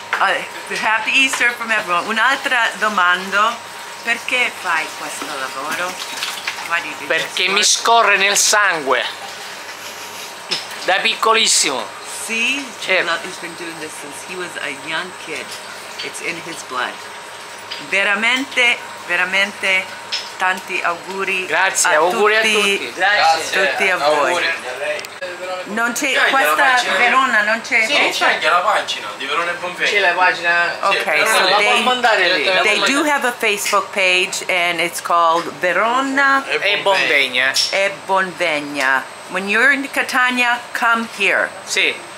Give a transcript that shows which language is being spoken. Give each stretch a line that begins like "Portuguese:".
English: Happy Easter from everyone.
Italian: Un'altra domanda. Perché fai questo lavoro? Perché mi scorre nel sangue. Da piccolissimo.
English: See, he's been doing this since he was a young kid. It's in his blood.
Italian: Veramente, veramente, tanti auguri. Grazie, auguri a tutti. Grazie. Tutti a voi. Non c'è questa Verona, non c'è? Sì, c'è anche la pagina di Verona e Bonvegna. C'è la pagina.
English: Okay, so they do have a Facebook page and it's called Verona
Italian: e Bonvegna. E Bonvegna.
English: When you're in Catania, come here.
Italian: Sì.